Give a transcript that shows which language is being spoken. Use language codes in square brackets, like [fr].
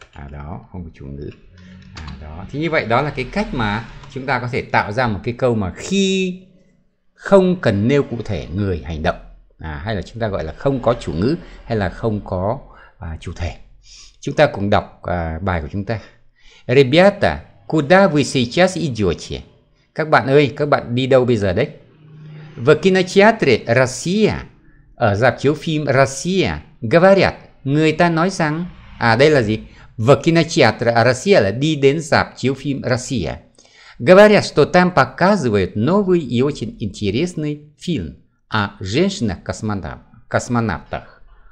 [vi] Đó, không có chủ ngữ. Đó, thì như vậy đó là cái cách mà chúng ta có thể tạo ra một cái câu mà khi không cần nêu cụ thể người hành động. Hay là chúng ta gọi là không có chủ ngữ hay là không có chủ thể. Chúng ta cùng đọc bài của chúng ta. [ru] Ребята, куда вы сейчас идёте? [vi] Các bạn ơi, các bạн đi đâu bây giờ đấy? [ru] В кинотеатре Россия. [vi] Ở rạp chiếu phim Россия. [ru] Говорят, [vi] người ta nói rằng. Đây là gì? [ru] В кинотеатре Россия [vi] là đi đến rạp chiếu phim Россия. [ru] Говорят, что там показывают новый и очень интересный фильм о женщинах-космонавтах.